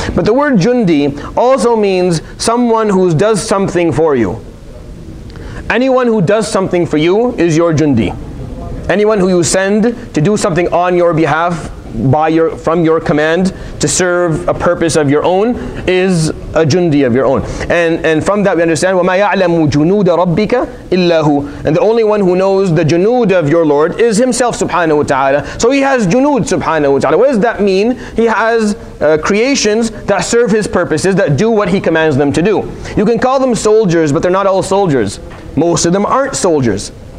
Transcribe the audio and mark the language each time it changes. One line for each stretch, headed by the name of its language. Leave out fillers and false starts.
English: But the word jundi also means someone who does something for you. Anyone who does something for you is your jundi. Anyone who you send to do something on your behalf, from your command, to serve a purpose of your own, is a jundi of your own. And from that we understand,
Arabic: وَمَا يَعْلَمُ جُنُودَ رَبِّكَ إِلَّا هُ.
English: And the only one who knows the junood of your Lord is himself, subhanahu wa ta'ala. So he has junood, subhanahu wa ta'ala. What does that mean? He has creations that serve his purposes, that do what he commands them to do. You can call them soldiers, but they're not all soldiers. Most of them aren't soldiers.